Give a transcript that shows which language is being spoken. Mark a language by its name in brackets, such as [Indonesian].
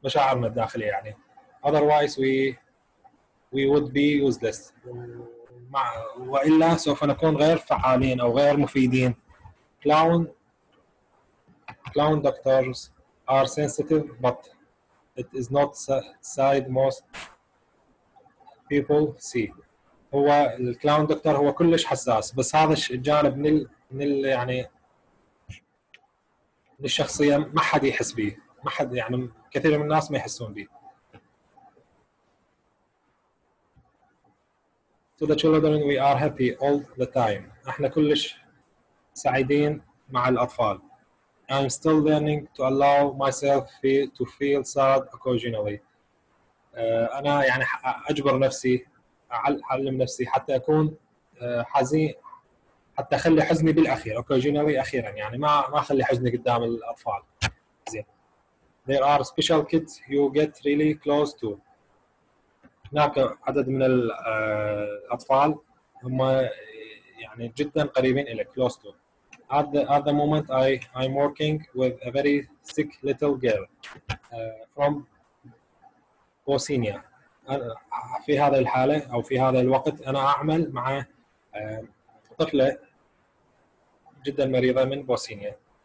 [Arabic] الداخلية يعني [English] otherwise we would be useless [Arabic] مع وإلا سوف نكون غير فعالين أو غير مفيدين. [English] Clown doctors are sensitive, but it is not side most people see. [Arabic] هو الكلاون دكتور هو كلش حساس بس هذا الجانب من يعني من الشخصية ما حد يحس به ما حد يعني كثير من الناس ما يحسون به. [English] To the children we are happy all the time. [Arabic] احنا كلش سعيدين مع الاطفال. [English] I'm still learning to allow myself to feel sad occasionally. [Arabic] انا يعني اجبر نفسي اعلم نفسي حتى اكون حزين حتى اخلي حزني بالاخير occasionally اخيرا يعني ما اخلي حزني قدام الاطفال. زين. [English] There are special kids you get really close to. [Arabic] هناك عدد من الأطفال هم يعني جدا قريبين إلى [English] close to at the moment I'm working with a very sick little girl from Bosnia [Arabic] في هذه الحالة أو في هذا الوقت أنا أعمل مع طفلة جدا مريضة من بوسنيا